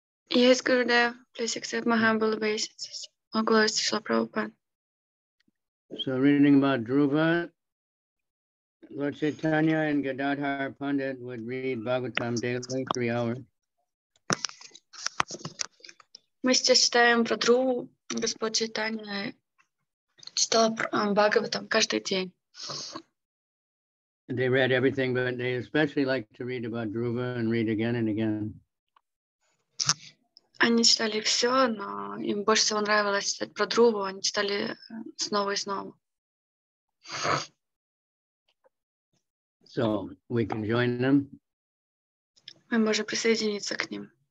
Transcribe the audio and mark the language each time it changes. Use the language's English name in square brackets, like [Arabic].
[English] Yes, Gurudev, please accept my humble obeisances. All glories to Srila Prabhupada. So reading about Dhruva, Lord Chaitanya and Gadadhar Pandit would read Bhagavatam daily, 3 hours. [Russian] Мы сейчас читаем про Дхруву, Господь Чайтанья читал Бхагаватам каждый день. [English] They read everything, but they especially like to read about Dhruva and read again and again. [Russian] Они читали все, но им больше всего нравилось читать про Дхруву, они читали снова и снова. [English] So we can join them. [Russian] Мы можем присоединиться к ним.